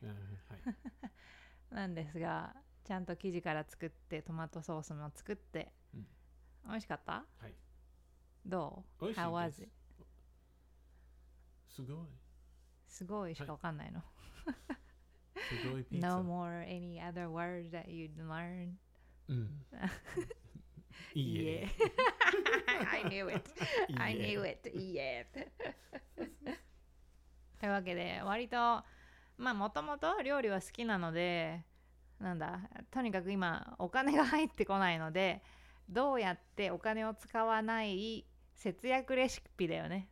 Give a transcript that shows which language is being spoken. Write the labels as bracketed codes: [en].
[ja] うん、はい、なんですが、ちゃんと生地から作って、トマトソースも作って、うん、美味しかった？はい、どう？美味しいです。 [en] How was it? [ja] すごい、すごいしかわかんないの、はい、すごいピザ。 [en] No more any other word that you'd learn? [ja] うん、いいえ。 [en] I knew it I knew it [ja] いいえというわけで、割とまあもともと料理は好きなので、なんだ、とにかく今お金が入ってこないので、どうやってお金を使わない節約レシピだよね。